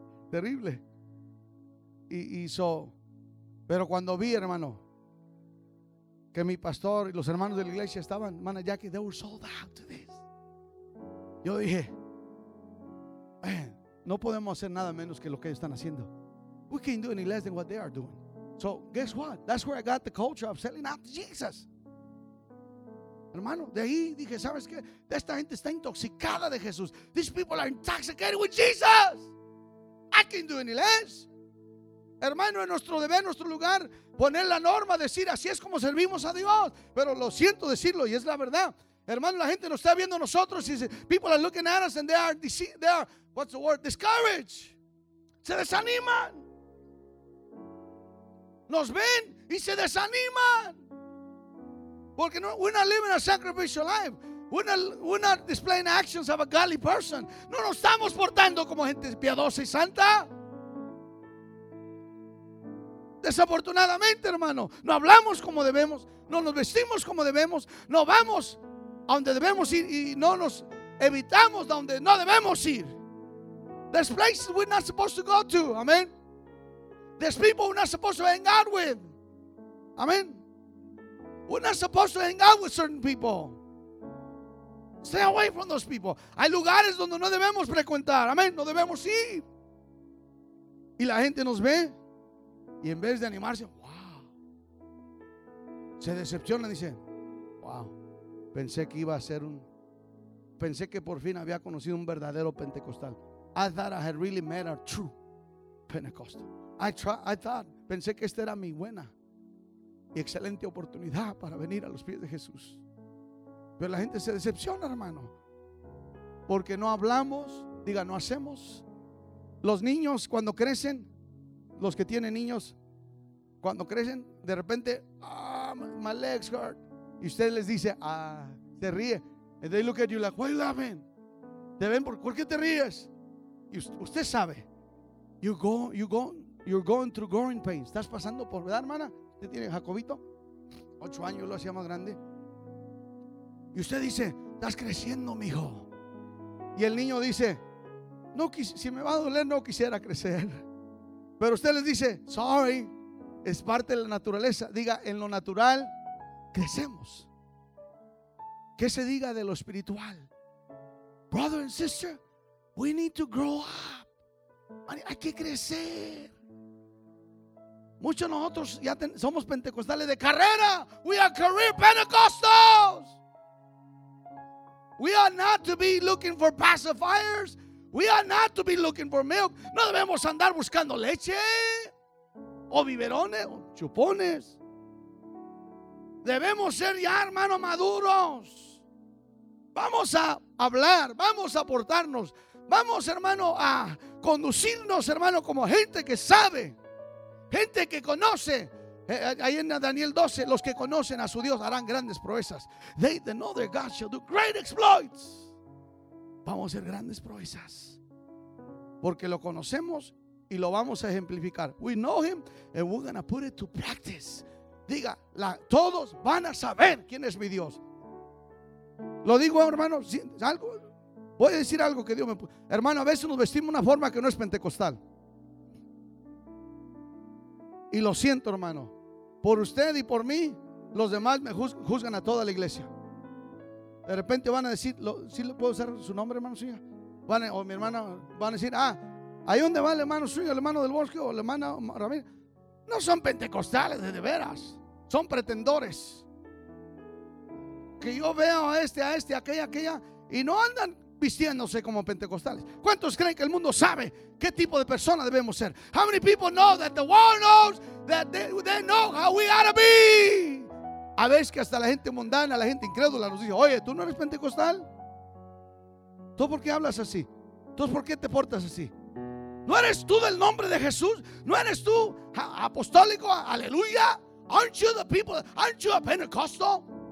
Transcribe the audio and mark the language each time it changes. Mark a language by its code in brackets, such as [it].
[es] Terrible. Pero cuando vi, hermano, que mi pastor y los hermanos de la iglesia estaban, hermana Jackie, [en] they were sold out to this. [es] Yo dije, man, no podemos hacer nada menos que lo que ellos están haciendo. [en] We can't do any less than what they are doing. So, guess what? That's where I got the culture of selling out to Jesus. [es] Hermano, de ahí dije, ¿sabes qué? Esta gente está intoxicada de Jesús. [en] These people are intoxicated with Jesus. I can't do any less. [es] Hermano, es nuestro deber, nuestro lugar, poner la norma, decir, así es como servimos a Dios. Pero lo siento decirlo y es la verdad. Hermano, la gente nos está viendo a nosotros y dice, [en] people are looking at us and what's the word? Discourage. [es] Se desaniman. Nos ven y se desaniman. Porque [en] we're not living a sacrificial life. We're not displaying actions of a godly person. [es] No nos estamos portando como gente piadosa y santa. Desafortunadamente, hermano, no hablamos como debemos, no nos vestimos como debemos, no vamos a donde debemos ir y no nos evitamos donde no debemos ir. [en] There's places we're not supposed to go to, amen. There's people we're not supposed to hang out with, amen. We're not supposed to hang out with certain people. Stay away from those people. [es] Hay lugares donde no debemos frecuentar, amen. No debemos ir. Y la gente nos ve. Y en vez de animarse, wow, se decepciona, dice, wow, pensé que iba a ser un, pensé que por fin había conocido un verdadero pentecostal. [en] I thought I had really met a true Pentecostal. I thought, [es] pensé que esta era mi buena y excelente oportunidad para venir a los pies de Jesús. Pero la gente se decepciona, hermano, porque no hablamos, diga, no hacemos. Los niños cuando crecen, los que tienen niños, cuando crecen, de repente, [en] my legs hurt. [es] Y usted les dice, se ríe. [en] And they look at you like, why are you laughing? [es] Te ven, ¿por qué te ríes? Y usted sabe, [en] you're going through growing pains. [es] Estás pasando por, ¿verdad, hermana? Usted tiene Jacobito, 8 años, lo hacía más grande. Y usted dice, estás creciendo, mijo. Y el niño dice, no, si me va a doler, no quisiera crecer. Pero usted les dice, sorry, es parte de la naturaleza. Diga, en lo natural, crecemos. ¿Qué se diga de lo espiritual? [en] Brother and sister, we need to grow up. [es] Hay que crecer. Muchos de nosotros ya somos pentecostales de carrera. [en] We are career Pentecostals. We are not to be looking for pacifiers. We are not to be looking for milk. [es] No debemos andar buscando leche o biberones o chupones. Debemos ser ya, hermano, maduros. Vamos a hablar, vamos a portarnos, vamos, hermano, a conducirnos, hermano, como gente que sabe, gente que conoce. Ahí en Daniel 12, los que conocen a su Dios harán grandes proezas. [en] They that know their God shall do great exploits. [es] Vamos a hacer grandes proezas porque lo conocemos y lo vamos a ejemplificar. [en] We know him and we're going to put it to practice. [es] Diga, todos van a saber quién es mi Dios. Lo digo, hermano, algo, voy a decir algo que Dios me puso. Hermano, a veces nos vestimos de una forma que no es pentecostal. Y lo siento, hermano, por usted y por mí, los demás me juzgan a toda la iglesia. De repente van a decir, ¿sí le puedo usar su nombre, hermano suyo? O mi hermana, van a decir, ¿ahí dónde va el hermano suyo, el hermano del bosque o la hermana Ramírez? No son pentecostales de veras, son pretendores. Que yo veo a este, aquella, y no andan vistiéndose como pentecostales. ¿Cuántos creen que el mundo sabe qué tipo de persona debemos ser? [en] How many people know that the world knows that they know how we ought to be? [es] A veces que hasta la gente mundana, la gente incrédula nos dice, oye, ¿tú no eres pentecostal? ¿Tú por qué hablas así? ¿Tú por qué te portas así? ¿No eres tú del nombre de Jesús? ¿No eres tú apostólico? Aleluya. [en] Aren't you the people? Aren't you a Pentecostal?